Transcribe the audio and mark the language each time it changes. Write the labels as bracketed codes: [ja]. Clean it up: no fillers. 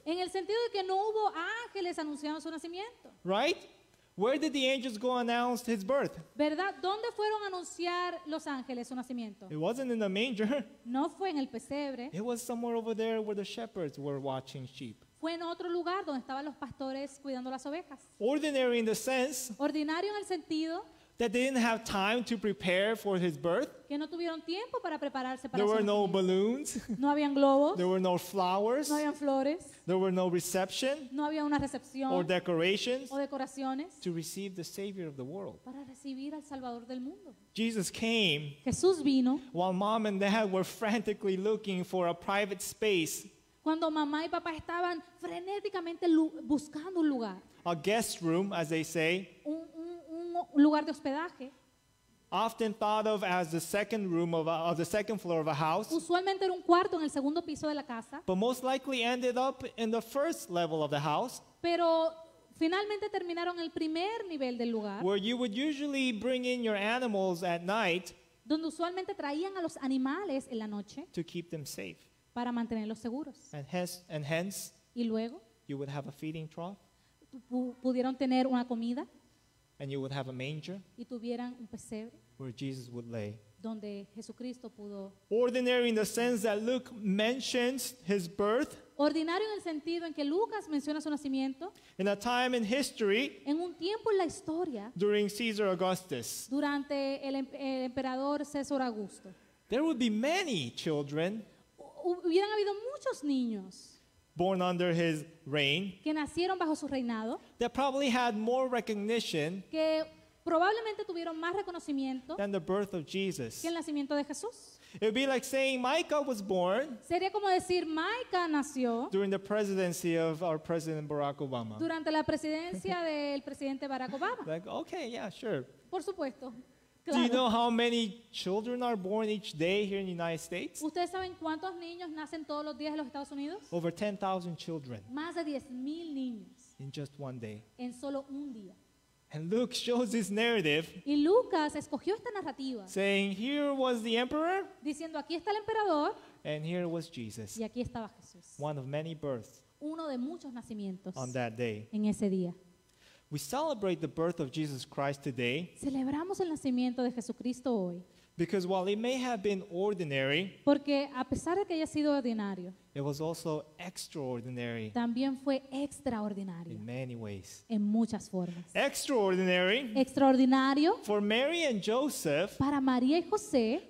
[es] En el sentido de que no hubo ángeles anunciando su nacimiento. [en] Right? Where did the angels go announce his birth? [es] ¿Verdad? ¿Dónde fueron a anunciar los ángeles su nacimiento? [en] It wasn't in the manger. [es] No fue en el pesebre. [en] It was somewhere over there where the shepherds were watching sheep. [es] Fue en otro lugar donde estaban los pastores cuidando las ovejas. [en] Ordinary in the sense. [es] Ordinario en el sentido. [en] That they didn't have time to prepare for his birth. [es] Que no tuvieron tiempo para prepararse para [en] There were no balloons. [es] No habían globos. [en] There were no flowers. [es] No habían flores. [en] There were no reception. [es] No había una recepción. [en] Or decorations. [es] O decoraciones. [en] To receive the Savior of the world. [es] Para recibir al Salvador del mundo. [en] Jesus came. [es] Jesús vino. [en] While mom and dad were frantically looking for a private space. [es] Cuando mamá y papá estaban frenéticamente buscando un lugar. [en] A guest room, as they say. [es] Un lugar de hospedaje. [en] Often thought of as the second room of the second floor of a house. [es] Usualmente era un cuarto en el segundo piso de la casa. [en] But most likely ended up in the first level of the house. [es] Pero finalmente terminaron el primer nivel del lugar. [en] Where you would usually bring in your animals at night. [es] Donde usualmente traían a los animales en la noche. [en] To keep them safe. [es] Para mantenerlos seguros. [en] And hence, [es] y luego, [en] you would have a feeding trough. [es] Pudieron tener una comida. [en] And you would have a manger. [es] Y tuvieran un pesebre. [en] Where Jesus would lay. [es] donde Jesucristo pudo. [en] Ordinary in the sense that Luke mentions his birth. [es] Ordinario en el sentido en que Lucas menciona su nacimiento. [en] In a time in history. [es] En un tiempo en la historia. [en] During Caesar Augustus. [es] Durante el emperador César Augusto. [en] There would be many children. [es] Hubieran habido muchos niños. [en] Born under his reign. [es] Que nacieron bajo su reinado. [en] That probably had more recognition. [es] Que probablemente tuvieron más reconocimiento. [en] Than the birth of Jesus. [es] Que el nacimiento de Jesús. [en] It would be like saying Micah was born. [es] Sería como decir Micah nació. [en] During the presidency of our president Barack Obama. [es] Durante la presidencia del presidente Barack Obama. [en] Like, okay, yeah, sure. [es] Por supuesto. [en] Do you know how many children are born each day here in the United States? [es] ¿Ustedes saben cuántos niños nacen todos los días en los Estados Unidos? [en] Over 10,000 children. [es] Más de 10,000 niños. [en] In just one day. [es] En solo un día. [en] And Luke shows this narrative. [es] Y Lucas escogió esta narrativa. [en] Saying here was the emperor. [es] Diciendo aquí está el emperador. [en] And here was Jesus. [es] Y aquí estaba Jesús. [en] One of many births. [es] Uno de muchos nacimientos. [en] On that day. [es] En ese día. [en] We celebrate the birth of Jesus Christ today. [es] Celebramos el nacimiento de Jesucristo hoy. [en] Because while it may have been ordinary, [es] porque a pesar de que haya sido ordinario, [en] it was also extraordinary. [es] También fue extraordinario. [en] In many ways. [es] En muchas formas. [en] Extraordinary. [es] Extraordinario. [en] For Mary and Joseph, [es] para María y José,